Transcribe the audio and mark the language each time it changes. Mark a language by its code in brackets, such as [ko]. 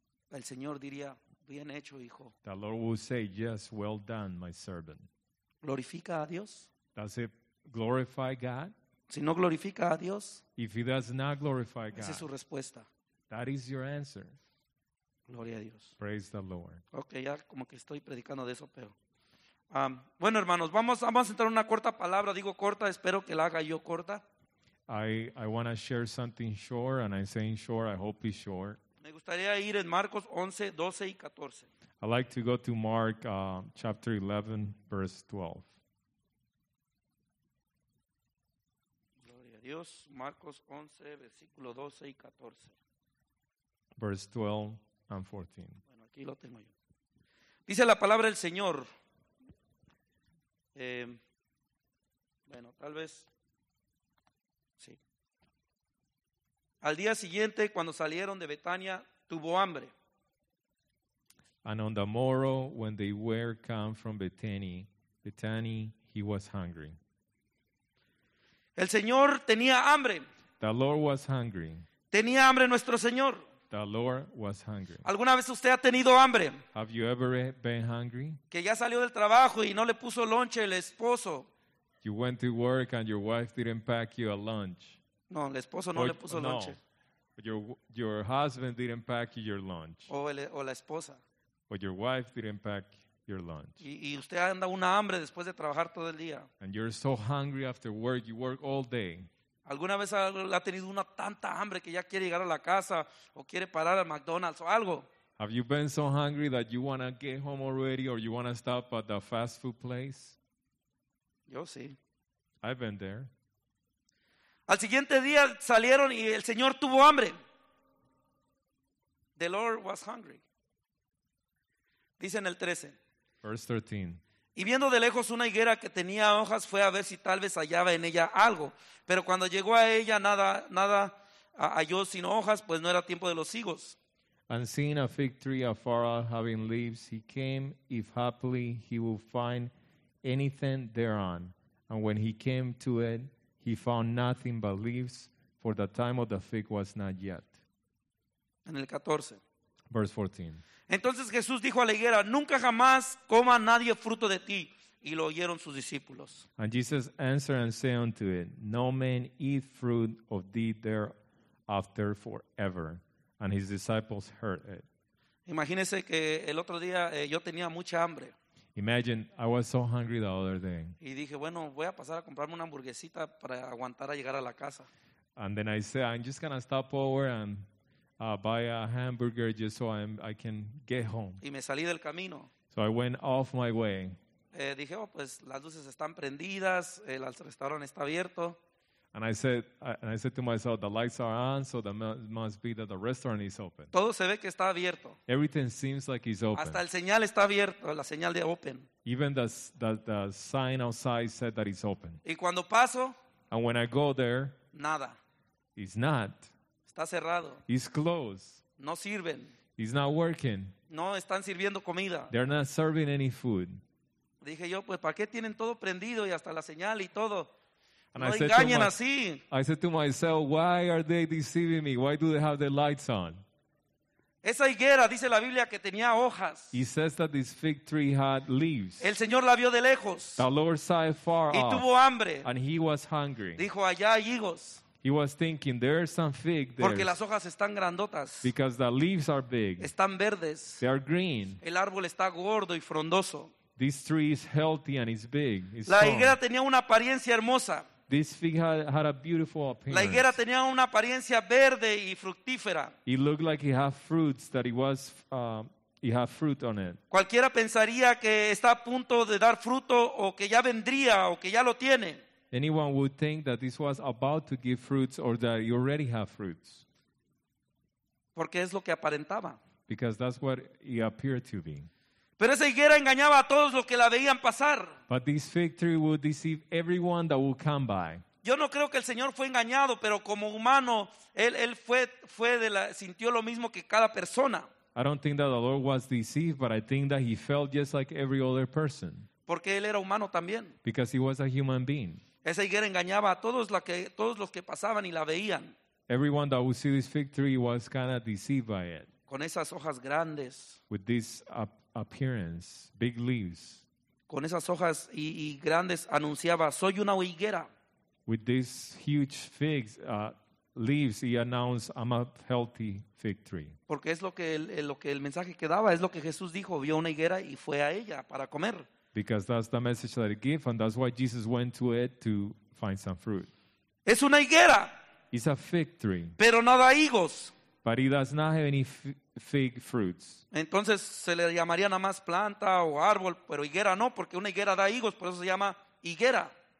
[es] El Señor diría, bien hecho, hijo. [en] The Lord will say, yes, well done, my servant. [es] Glorifica a Dios. [en] Does it glorify God? [es] Si no glorifica a Dios. [en] If he does not glorify God. [es] Esa es su respuesta. [en] That is your answer. [es] Gloria a Dios. [en] Praise the Lord. [es] Okay, ya como que estoy predicando de eso, pero bueno, hermanos, vamos a entrar en una corta palabra. Digo corta, espero que la haga yo corta. [en] I want to share something short, and I'm saying short. I hope it's short. [es] Me gustaría ir en Marcos 11, 12 y 14. [en] I'd like to go to Mark chapter 11, verse 12. [es] Gloria a Dios. Marcos 11, versículo 12 y 14. [en] Verse 12 and 14. [es] Bueno, aquí lo tengo yo. Dice la palabra del Señor. Bueno, tal vez. Sí. Al día siguiente, cuando salieron de Betania, tuvo hambre. [en] And on the morrow, when they were come from Betania, he was hungry. [es] El Señor tenía hambre. [en] The Lord was hungry. [es] Tenía hambre nuestro Señor. [en] The Lord was hungry. [es] ¿Alguna vez usted ha tenido hambre? [en] Have you ever been hungry? [es] Que ya salió del trabajo y no le puso lunch el esposo. [en] You went to work and your wife didn't pack you a lunch. [es] No, el esposo no le puso lunch. [en] No, your husband didn't pack you your lunch. [es] O la esposa. [en] But your wife didn't pack your lunch. [es] Y usted anda una hambre después de trabajar todo el día. [en] And you're so hungry after work, you work all day. [es] ¿Alguna vez ha tenido una tanta hambre que ya quiere llegar a la casa o quiere parar al McDonald's o algo? [en] Have you been so hungry that you want to get home already or you want to stop at the fast food place? [es] Yo sí. [en] I've been there. [es] Al siguiente día salieron y el Señor tuvo hambre. [en] The Lord was hungry. [es] Dice en el 13. [en] Verse 13. [es] Y viendo de lejos una higuera que tenía hojas, fue a ver si tal vez hallaba en ella algo. Pero cuando llegó a ella, nada halló sino hojas, pues no era tiempo de los higos. [en] And seeing a fig tree afar off having leaves, he came, if happily he would find anything thereon. And when he came to it, he found nothing but leaves, for the time of the fig was not yet. [es] En el 14. [en] Verse 14. [es] Entonces Jesús dijo a la higuera, nunca jamás coma nadie fruto de ti. Y lo oyeron sus discípulos. [en] And Jesus answered and said unto it, no man eat fruit of thee thereafter forever. And his disciples heard it. [es] Imagínese que el otro día yo tenía mucha hambre. [en] Imagine, I was so hungry the other day. [es] Y dije, bueno, voy a pasar a comprarme una hamburguesita para aguantar a llegar a la casa. [en] And then I said, I'm just going to stop over and buy a hamburger just so I can get home. [es] Y me salí del camino. [en] So I went off my way. [es] Dije, oh, pues las luces están prendidas, el restaurante está abierto. [en] And I said to myself, the lights are on, so that must be that the restaurant is open. [es] Todo se ve que está abierto. [en] Everything seems like it's open. [es] Hasta el señal está abierto, la señal de open. [en] Even the sign outside said that it's open. [es] Y cuando paso, [en] and when I go there, [es] nada. [en] It's not. [es] Está cerrado. [en] It's closed. [es] No sirven. [en] It's not working. [es] No están sirviendo comida. [en] They're not serving any food. [es] Dije yo, pues ¿para qué tienen todo prendido y hasta la señal y todo? [en] And [es] no [en] I said [es] engañen [en] to [es] así. [en] I said to myself, why are they deceiving me? Why do they have their lights on? [es] Esa higuera, dice la Biblia, que tenía hojas. [en] He says that this fig tree had leaves. [es] El Señor la vio de lejos. [en] The Lord saw it far [es] y [en] off. [es] Y tuvo hambre. [en] And he was hungry. [es] Dijo, allá hay higos. [en] He was thinking, there's some fig there. [es] Porque las hojas están grandotas. [en] Because the leaves are big. [es] Están verdes. [en] They are green. [es] El árbol está gordo y frondoso. [en] This tree is healthy and it's big. It's [es] la higuera [en] strong. [es] Tenía una apariencia hermosa. [en] This fig had a beautiful appearance. [es] La higuera tenía una apariencia verde y fructífera. [en] It looked like it had fruits that it was, it had fruit on it. [es] Cualquiera pensaría que está a punto de dar fruto o que ya vendría o que ya lo tiene. [en] Anyone would think that this was about to give fruits or that you already have fruits. [es] Porque es lo que aparentaba. [en] Because that's what it appeared to be. [es] Pero esa higuera engañaba a todos los que la veían pasar. [en] But this fig tree would deceive everyone that would come by. [es] Yo no creo que el Señor fue engañado, pero como humano, él fue de la sintió lo mismo que cada persona. [en] I don't think that the Lord was deceived, but I think that he felt just like every other person. [es] Porque él era humano también. [en] Because he was a human being. [es] Esa higuera engañaba a todos los que pasaban y la veían. [en] Everyone that would see this fig tree was kind of deceived by it. [es] Con esas hojas grandes. [en] With this appearance, big leaves. [es] Con esas hojas y grandes anunciaba, soy una higuera. [en] With these huge figs, leaves, he announced, I'm a healthy fig tree. [es] Porque es lo que el mensaje que daba, es lo que Jesús dijo, vio una higuera y fue a ella para comer. [en] Because that's the message that it gave, and that's why Jesus went to it to find some fruit. [es] Es una higuera. [en] It's a fig tree. [es] Pero no da higos. [en] But it does not have any fig fruits. [es] Entonces se le llamaría nada más planta o árbol, pero higuera no, porque una higuera da higos, por eso se llama higuera.